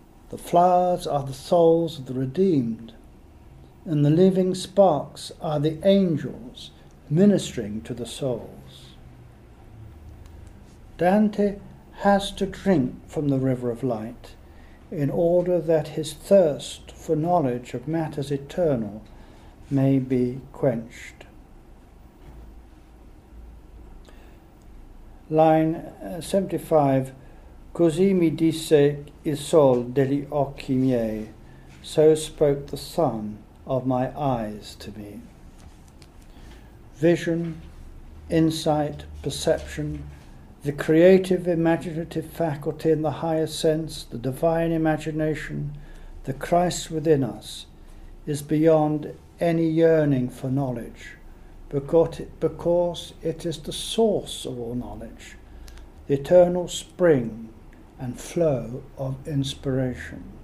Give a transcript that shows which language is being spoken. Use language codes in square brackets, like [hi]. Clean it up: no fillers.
[en] The flowers are the souls of the redeemed, and the living sparks are the angels ministering to the souls. Dante has to drink from the river of light in order that his thirst for knowledge of matters eternal may be quenched. Line 75, [it] Così mi disse il sol degli occhi miei, [en] so spoke the sun of my eyes to me. Vision, insight, perception, the creative imaginative faculty in the higher sense, the divine imagination, the Christ within us, is beyond any yearning for knowledge, because it is the source of all knowledge, the eternal spring and flow of inspiration.